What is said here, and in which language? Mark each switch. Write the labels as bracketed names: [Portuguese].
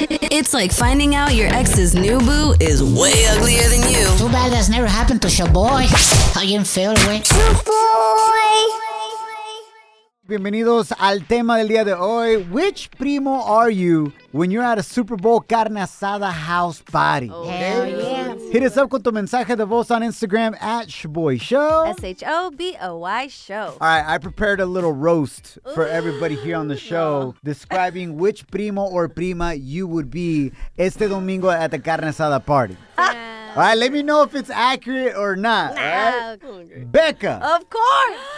[English] It's like finding out your ex's new boo is way uglier than you. Too bad that's never happened to Shaboy. How you feel, wey? Shaboy! [Spanish] Bienvenidos al tema del día de hoy. [English] Which primo are you when you're at a Super Bowl carne asada house party? Oh, hell yeah. Hit us up [Spanish] con tu mensaje de voz [English] on Instagram at Shaboy Show. S-H-O-B-O-Y Show. All right, I prepared a little roast for everybody here on the show describing which primo or prima you would be [Spanish] este domingo [English] at the carne asada party. Yeah. All right, let me know if it's accurate or not. Nah. All right? Becca. Of course.